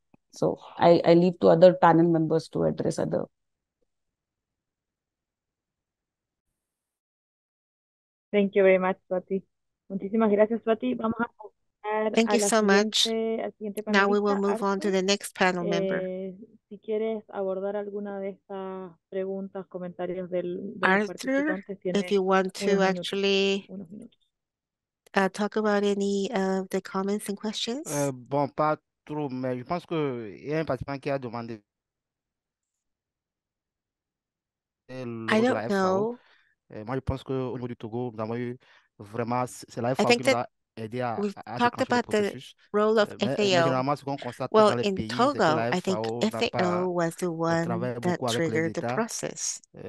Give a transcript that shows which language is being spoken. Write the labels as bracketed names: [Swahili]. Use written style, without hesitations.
[English] So I leave to other panel members to address other. Thank you very much, Swati. [Spanish] Muchísimas gracias, Swati. Vamos a [English] Thank you so much. Now we will move on to the next panel member. [Spanish] Si quieres abordar alguna de estas preguntas, comentarios del [English] Arthur, if you want to actually talk about any of the comments and questions. [French] Bon, pas trop, mais je pense que il y a un participant qui a demandé. [English] I don't know. [French] Moi, je pense que au niveau du Togo, nous avons eu vraiment c'est la FAO qui [English] We've talked about the role of FAO. Well, in Togo, I think FAO was the one that triggered the process.